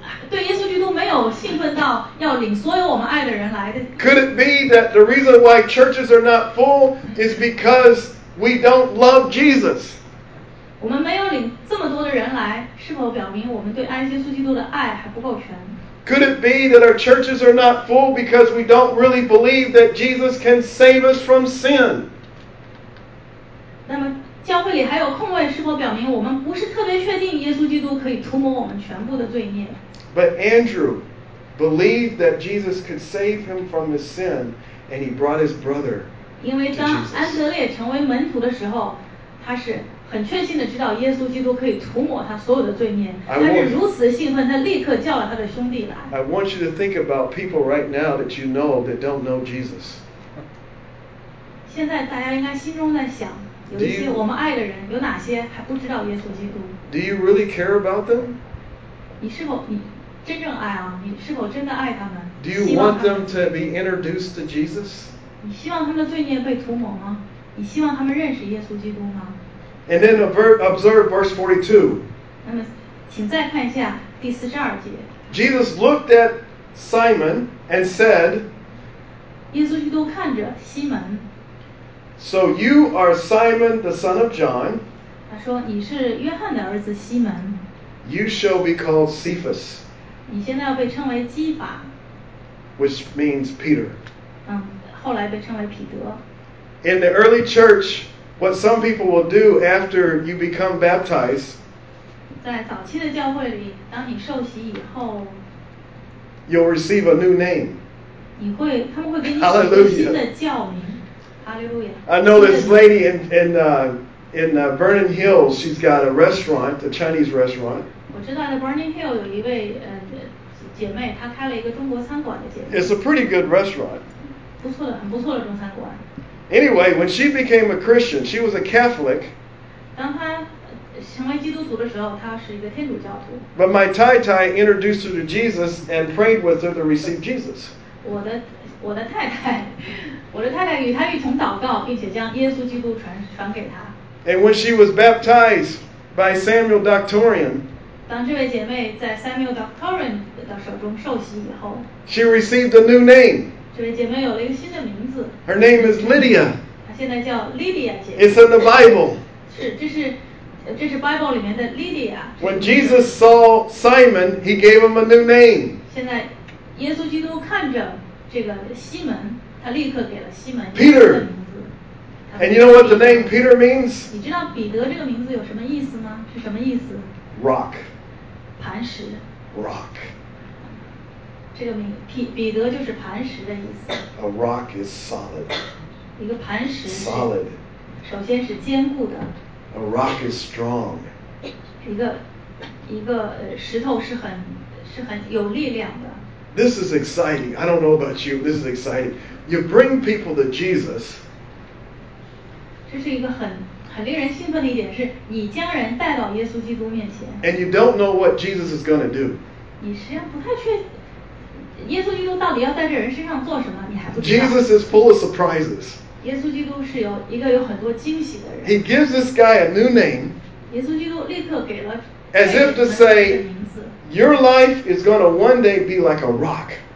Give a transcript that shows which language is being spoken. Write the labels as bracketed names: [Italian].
[Chinese] 对耶稣基督没有兴奋到要领所有我们爱的人来的。 [English] Could it be that the reason why churches are not full is because we don't love Jesus? [Chinese] 我们没有领这么多的人来，是否表明我们对耶稣基督的爱还不够全？ [English] Could it be that our churches are not full because we don't really believe that Jesus can save us from sin? [Chinese] 那么教会里还有空位，是否表明我们不是特别确定耶稣基督可以涂抹我们全部的罪孽 [English] ？But Andrew believed that Jesus could save him from his sin, and he brought his brother. [Chinese] 因为当安德烈成为门徒的时候，他是很确信的知道耶稣基督可以涂抹他所有的罪孽，他是如此兴奋，他立刻叫了他的兄弟来。 [English] I want you to think about people right now that you know that don't know Jesus. [Chinese] 现在大家应该心中在想，有一些我们爱的人，有哪些还不知道耶稣基督？ [English] Do you really care about them? [Chinese] 你是否你真正爱啊？你是否真的爱他们？ [English] Do you want them to be introduced to Jesus? [Chinese] 你希望他们的罪孽被涂抹吗？你希望他们认识耶稣基督吗？ [English] And then observe verse 42. [Chinese] 请再看一下第四十二节。 [English] Jesus looked at Simon and said, [Chinese] 耶稣基督看着西门。 [English] So you are Simon the son of John. [Chinese] 他说你是约翰的儿子西门。 [English] You shall be called Cephas. [Chinese] 你现在要被称为基法。 [English] Which means Peter. [Chinese] 后来被称为彼得。 [English] In the early church,What some people will do after you become baptized, [Chinese] 在早期的教会里，当你受洗以后， [English] you'll receive a new name. [Chinese] 你会，他们会给你取一个新的教名。 [English] Hallelujah. I know this lady in Vernon Hills. She's got a restaurant, a Chinese restaurant. [Chinese] 我知道的 Vernon Hill 有一位姐妹，她开了一个中国餐馆的姐妹。 [English] It's a pretty good restaurant. [Chinese] 不错的，很不错的中餐馆。 [English] Anyway, when she became a Christian, she was a Catholic. [Chinese] 当她成为基督徒的时候，她是一个天主教徒。 [English] But my tai-tai introduced her to Jesus and prayed with her to receive Jesus. [Chinese] 我的太太与她一同祷告，并且将耶稣基督传给她。 [English] And when she was baptized by Samuel Doctorian, [Chinese] 当这位姐妹在 Samuel Doctorian 的手中受洗以后， [English] she received a new name. [Chinese] 这位姐妹有了一个新的名字。 [English] Her name is Lydia. [Chinese] 她现在叫 Lydia 姐。 [English] It's in the Bible. [Chinese] 这是 Bible 里面的 Lydia。 [English] When Jesus saw Simon, he gave him a new name. [Chinese] 现在耶稣基督看着这个西门，他立刻给了西门一个 [English] Peter. [Chinese] 名字。 [English] And you know what the name Peter means? [Chinese] 你知道彼得这个名字有什么意思吗？是什么意思 [English] ？Rock. [Chinese] 磐石。 [English] Rock. [Chinese] 这个名彼得就是磐石的意思。 [English] A rock is solid. [Chinese] 一个磐石。 [English] Solid. [Chinese] 首先是坚固的。 [English] A rock is strong. [Chinese] 一个石头是很有力量的。 [English] This is exciting. I don't know about you. This is exciting. You bring people to Jesus. [Chinese] 这是一个很令人兴奋的一点，是你将人带到耶稣基督面前。 [English] And you don't know what Jesus is going to do. [Chinese] 你实际上不太确定。耶稣基督到底要在这人身上做什么？你还不知道。 [English] Jesus is full of surprises. [Chinese] 耶稣基督是有一个有很多惊喜的人。 [English] He gives this guy a new name. [Chinese] 耶稣基督立刻给了。 [English] As if to say, your life is going to one day be like a rock.